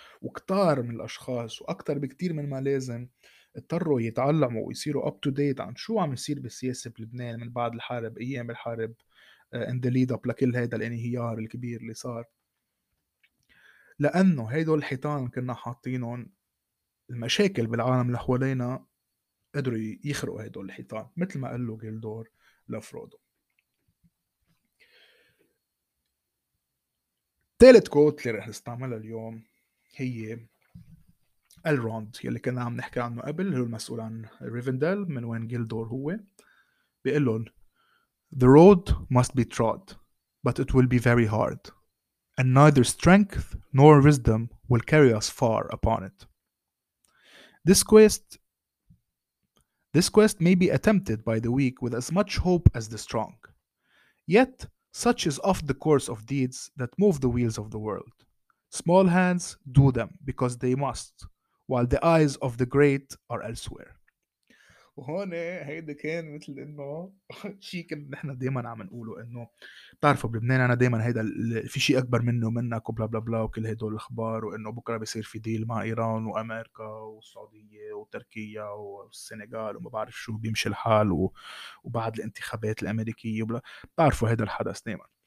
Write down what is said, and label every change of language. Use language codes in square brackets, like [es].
[ar] وكتار من الاشخاص واكتر بكتير من ما لازم اضطروا يتعلموا ويصيروا [en] up to date [ar] عن شو عم يصير بالسياسة بلبنان من بعد الحرب، ايام الحرب [en] and the lead up [ar] لكل هيدا الانهيار الكبير اللي صار، لانه هيدول الحيطان اللي كنا حاطينهم المشاكل بالعالم اللي حوالينا قدروا يخرقوا هدول الحيطان مثل ما قال له جيلدور لفرودو. تالت كوت اللي رح نستعملها اليوم هي الروند يلي كنا عم نحكي عنه قبل، هو المسؤول عن ريفندال من وين جيلدور هو. بيقول لهم [en] The road must be trod but it will be very hard and neither strength nor wisdom will carry us far upon it. This quest may be attempted by the weak with as much hope as the strong. Yet, such is oft the course of deeds that move the wheels of the world. Small hands do them because they must, while the eyes of the great are elsewhere. [ar] وهون هيدا كان مثل انه شيء كنا نحن دايما عم نقوله، انه بتعرفوا بلبنان انا دايما هيدا في شيء اكبر منه ومنك وبلا بلا بلا وكل هدول الاخبار، وانه بكره بيصير في ديل مع ايران وامريكا والسعوديه وتركيا والسنغال وما بعرف شو بيمشي الحال، وبعد الانتخابات الامريكيه وبلا بتعرفوا هيدا الحدث دايما.